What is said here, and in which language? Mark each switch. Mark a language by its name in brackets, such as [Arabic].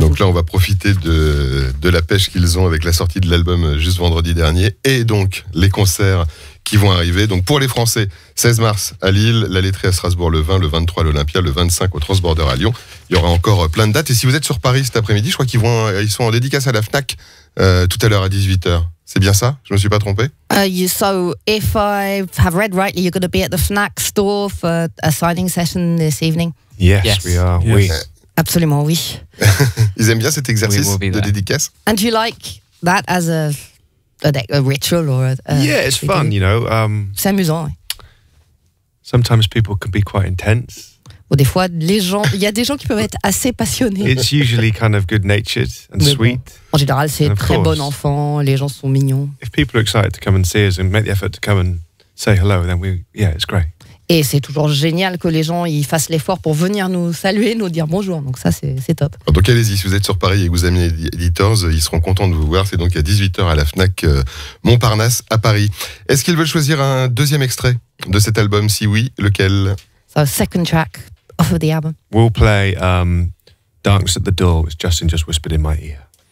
[French] donc fonctionne. Là on va profiter de la pêche qu'ils ont avec la sortie de l'album juste vendredi dernier, et donc les concerts qui vont arriver. Donc pour les Français, 16 mars à Lille, la Laiterie à Strasbourg le 20, le 23 à l'Olympia, le 25 au Transborder à Lyon. Il y aura encore plein de dates. Et si vous êtes sur Paris cet après-midi, je crois qu'ils sont en dédicace à la FNAC tout à l'heure à 18h. C'est bien ça? Je ne me suis pas trompé? [English] So if I have read rightly, you're going to be at the FNAC store for a signing session this evening? Yes, we are. [French] Oui. Absolument, oui. Ils aiment bien cet exercice de dédicace. [English] And do you like that as a ritual or yeah, it's fun, you know. [French] C'est amusant. Ouais. [English] Sometimes people can be quite intense. [French] Well, des fois, les gens, il y a des gens qui peuvent être assez passionnés. [English] It's usually kind of good-natured and [French] mais [English] sweet. [French] Bon. En général, c'est très bon enfant. Les gens sont mignons. [English] If people are excited to come and see us and make the effort to come and say hello, then it's great. [French] Et c'est toujours génial que les gens y fassent l'effort pour venir nous saluer, nous dire bonjour. Donc ça, c'est top. Donc allez-y, si vous êtes sur Paris et que vous aimez Editors, ils seront contents de vous voir. C'est donc à 18h à la FNAC Montparnasse à Paris. Est-ce qu'ils veulent choisir un deuxième extrait de cet album? Si oui, lequel? [English] So, second track off of the album. We'll play Darkness at the Door, which Justin just whispered in my ear.